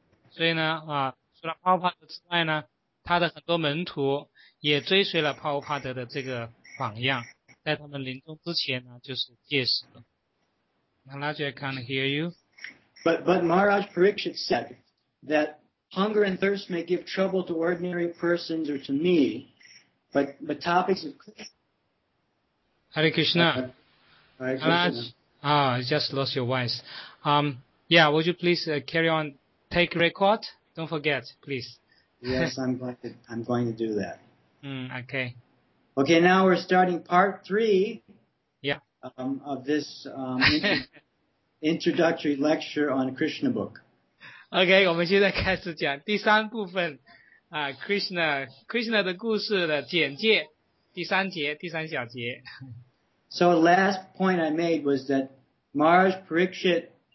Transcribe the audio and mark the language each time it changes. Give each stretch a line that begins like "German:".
Chinese: 所以呢，啊，除了帕布帕德之外呢，他的很多门徒也追随了帕布帕德的这个榜样，在他们临终之前呢，就是戒食。
English: Maharaj, I can't hear you. But Maharaj Parikshit said that hunger and thirst may give trouble to ordinary persons or to me, but topics of Hare Krishna. Maharaj, just lost your voice. Yeah, would you please carry on, take record? Don't forget, please. Yes, I'm going to do that. Okay. Okay, now we're starting part three. Yeah. Of this introductory lecture on Krishna book.
Chinese: Okay, 我们现在开始讲第三部分啊 ，Krishna 的故事的简介，第三节，第三小节。
English: So the last point I made was that Maharaj Parikshit.